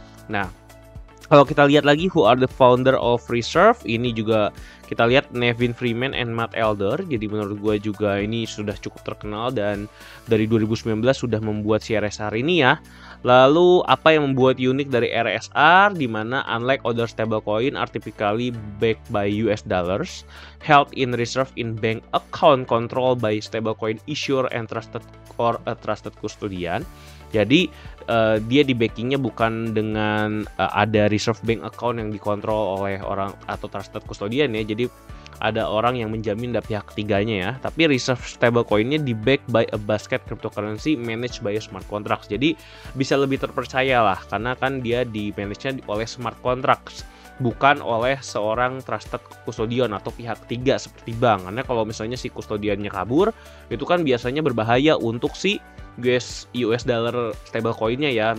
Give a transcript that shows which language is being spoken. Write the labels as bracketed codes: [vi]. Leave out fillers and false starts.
[id] Nah kalau kita lihat lagi, [en] who are the founder of Reserve? [id] Ini juga kita lihat Nevin Freeman and Matt Elder. Jadi menurut gue juga ini sudah cukup terkenal dan dari 2019 sudah membuat si RSR ini ya. Lalu apa yang membuat unik dari RSR? [en] Dimana unlike other stablecoin are typically backed by US dollars, held in reserve in bank account controlled by stablecoin issuer and trusted or a trusted custodian. [id] Jadi dia di backingnya bukan dengan ada reserve bank account yang dikontrol oleh orang atau trusted custodian ya. Jadi ada orang yang menjamin dari pihak ketiganya ya. [en] Tapi reserve stablecoinnya di back by a basket cryptocurrency managed by smart contracts. [id] Jadi bisa lebih terpercaya lah, karena kan dia di managenya oleh smart contracts, bukan oleh seorang trusted custodian atau pihak ketiga seperti bank. Karena kalau misalnya si custodiannya kabur, itu kan biasanya berbahaya untuk si US dollar stablecoinnya ya.